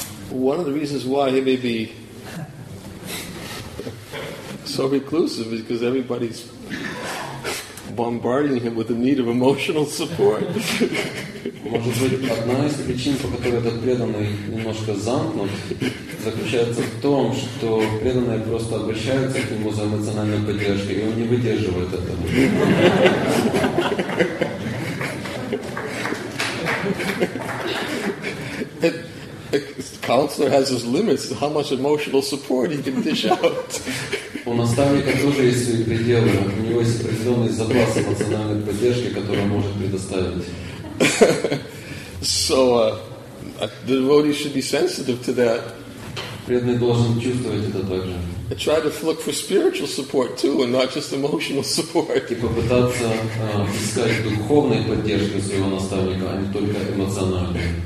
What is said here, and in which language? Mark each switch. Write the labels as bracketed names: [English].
[English] One of the reasons why he may be so reclusive is because everybody's bombarding him with the need of emotional support. [Russian] Может быть, одна из причин, по которой этот преданный немножко замкнут, заключается в том, что преданные просто обращаются к нему за эмоциональной поддержкой, и он не выдерживает этого. [English] Counselor has his limits to how much emotional support he can dish out. [Russian] У наставника тоже есть свои пределы. У него есть определенный запас эмоциональной поддержки, который он может предоставить. [English] So the devotee should be sensitive to that. [Russian] Преданный должен чувствовать это также. [English] And try to look for spiritual support too, and not just emotional support. [Russian] И попытаться искать духовной поддержки своего наставника, а не только эмоциональной.